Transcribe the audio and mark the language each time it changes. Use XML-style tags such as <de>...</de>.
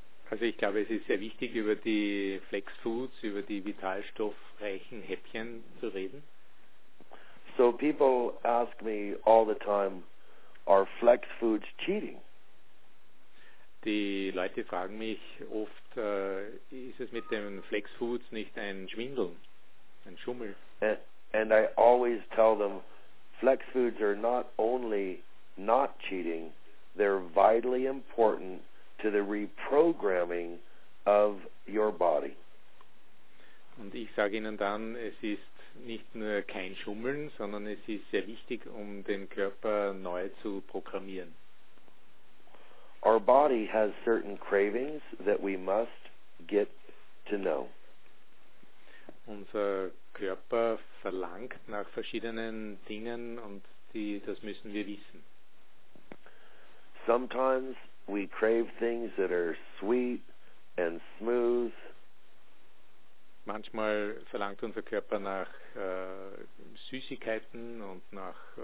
<de>Also ich glaube, es ist sehr wichtig, über die flex foods, über die vitalstoffreichen Häppchen zu reden.</de> <en>So people ask me all the time, are flex foods cheating?</en> <de>Die Leute fragen mich oft, ist es mit den Flex Foods nicht ein Schwindeln, ein Schummel?</de> <en>And I always tell them, Flex Foods are not only not cheating, they're vitally important to the reprogramming of your body.</en> <de>Und ich sage ihnen dann, es ist nicht nur kein Schummeln, sondern es ist sehr wichtig, um den Körper neu zu programmieren.</de> <en>Our body has certain cravings that we must get to know.</en> <de>Unser Körper verlangt nach verschiedenen Dingen und das müssen wir wissen.</de> <en>Sometimes we crave things that are sweet and smooth.</en> <de>Manchmal verlangt unser Körper nach Süßigkeiten und nach</de>